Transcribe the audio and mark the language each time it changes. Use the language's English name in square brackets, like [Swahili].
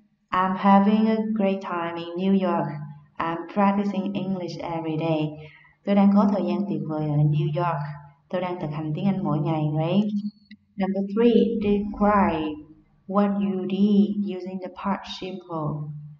[English] I'm having a great time in New York. I'm practicing English every day. [Vietnamese] Tôi đang có thời gian tuyệt vời ở New York. Tôi đang thực hành tiếng Anh mỗi ngày, right? Number three, describe what you did using the past simple.